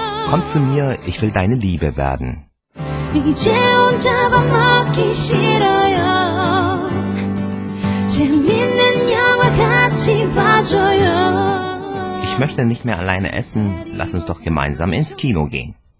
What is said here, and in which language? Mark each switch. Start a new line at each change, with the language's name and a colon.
German: Komm zu mir, ich will deine Liebe werden.
Korean: 이제 혼자 밥 먹기 싫어요 재밌는 영화 같이 봐줘요
German: Ich möchte nicht mehr alleine essen, lass uns doch gemeinsam ins Kino gehen.